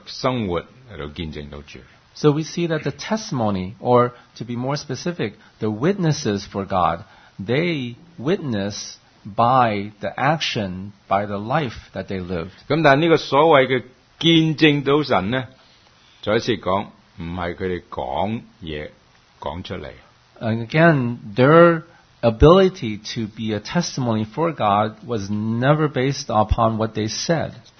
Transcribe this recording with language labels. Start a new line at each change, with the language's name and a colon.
Chinese: 所以我们就看见这几个人，或者说神的见证人，在那个地方是用他们的行为，他们的生活来见证到主。So
English: we see that the testimony, or to be more specific, the witnesses for God, they witness by the action, by the life that they lived.
Chinese: 但这个所谓的见证到神呢，再一次讲，不是他们讲出来。And
English: again, their ability to be a testimony for God was never based upon what they said.